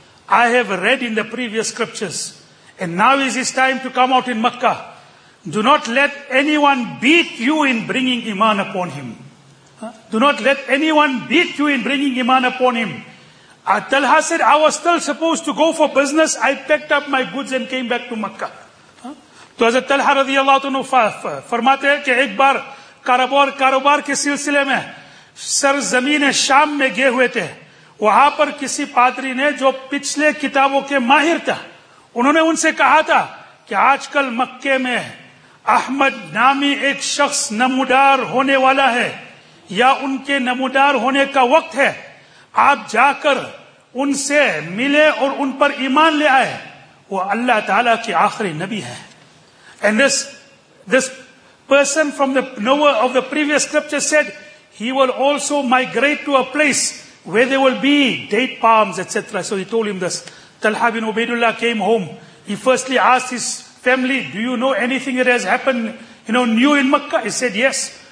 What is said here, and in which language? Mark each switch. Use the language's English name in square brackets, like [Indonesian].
[English] I have read in the previous scriptures. And now is his time to come out in Makkah. Do not let anyone beat you in bringing iman upon him. Do not let anyone beat you in bringing iman upon him. Talha said, I was still supposed to go for business. I packed up my goods and came back to Makkah. [Urdu] تو حضرت طلحہ رضی اللہ عنہ فرماتے ہیں کہ ایک بار کاروبار کے سلسلے میں سرزمین شام میں گئے ہوئے تھے. وہاں پر کسی پادری نے جو پچھلے کتابوں کے ماہر تھا, انہوں نے ان سے کہا تھا کہ آج کل مکے میں احمد نامی ایک شخص نمودار ہونے والا ہے یا ان کے نمودار ہونے کا وقت ہے, آپ جا کر ان سے ملے اور ان پر ایمان لے آئے, وہ اللہ تعالی کے آخری نبی ہے. [English] And this person from the knower of the previous scripture said, he will also migrate to a place where there will be date palms, etc. So he told him this. Talha bin Ubaidullah came home. He firstly asked his family, do you know anything that has happened, you know, new in Makkah? He said, yes.